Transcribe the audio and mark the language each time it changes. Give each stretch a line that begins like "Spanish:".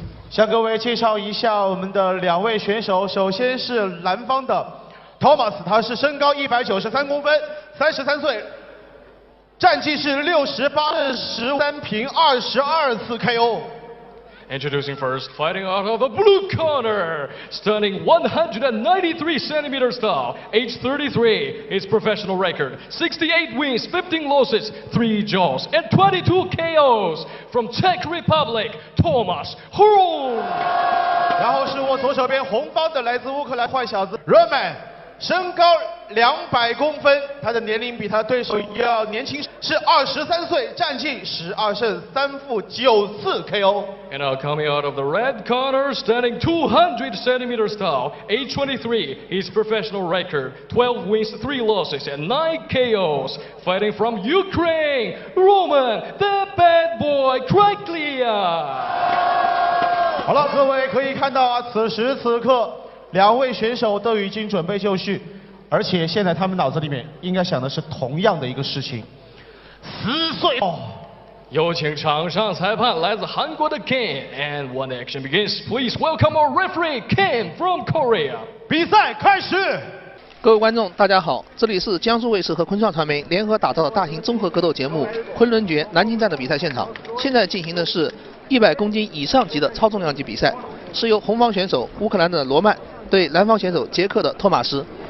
Chinese: 向各位介绍一下我们的两位选手。首先是蓝方的 Tomáš， 他是身高193公分，33岁，战绩是68胜13平22次 KO。
English: Introducing first, fighting out of the blue corner, standing 193 centimeters tall, age 33, his professional record 68 wins 15 losses, 3 draws and 22 KOs, from Czech Republic, Tomáš Hron。
Chinese: 然后是我左手边红方的来自乌克兰坏小子 Roman， 身高 200公分，他的年龄比他的对手要年轻，是23岁，战绩12胜3负9次 KO。
English: And now coming out of the red corner, standing 200 centimeters tall, age 23, his professional record 12 wins, 3 losses, and 9 KOs, fighting from Ukraine, Roman the Bad Boy Krykliya。好了，各位可以看到啊，此时此刻两位选手都已经准备就绪，而且现在他们脑子里面应该想的是同样的一个事情，撕碎。
Chinese: 有请场上裁判，来自韩国的
English: Kim， and when the action begins, please welcome our referee Kim from Korea。
Chinese: 比赛开始。各位观众大家好，这里是江苏卫视和坤创传媒联合打造的大型综合格斗节目昆仑决南京站的比赛现场，现在进行的是100公斤以上级的超重量级比赛，是由红方选手乌克兰的罗曼对蓝方选手捷克的托马斯。